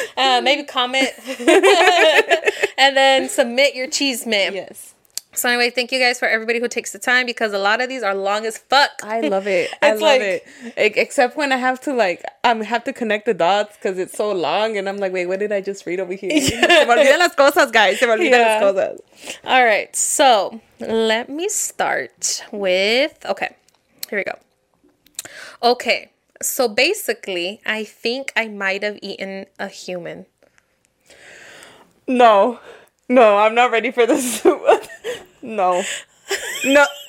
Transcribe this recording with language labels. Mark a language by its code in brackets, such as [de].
[en] Maybe comment. And then submit your chisme. Yes. So anyway, thank you guys for everybody who takes the time, because a lot of these are long as fuck. I love it. Except when I have to like, have to connect the dots because it's so long and I'm like, wait, what did I just read over here? [es] Se me olvidan las cosas, guys. Se me olvidan las cosas. [en] All right. So let me start with, okay, here we go. Okay. So basically, I think I might have eaten a human. No. No, I'm not ready for this. No. No.